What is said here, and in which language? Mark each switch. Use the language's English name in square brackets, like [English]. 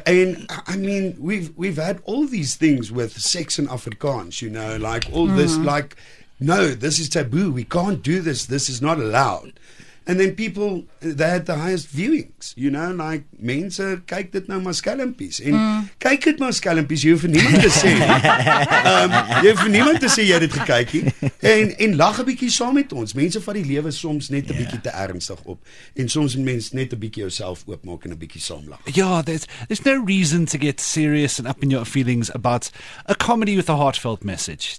[English] And I mean, we've had all these things with sex in Afrikaans, you know, like all this, like no, this is taboo. We can't do this. This is not allowed. And then people, they had the highest viewings, you know, like, [Afrikaans] mense, kyk dit nou maar skelmpies. En kyk dit maar skelmpies, jy hoef vir niemand te sê. Jy hoef vir niemand te sê jy het dit gekyk nie. En lag 'n bietjie saam met ons. Mense vat die lewe soms net 'n bietjie te ernstig op. En soms mense net 'n bietjie jouself oopmaak en 'n bietjie saamlag. Ja, [English] there's no reason to get serious and up in your feelings about a comedy with a heartfelt message.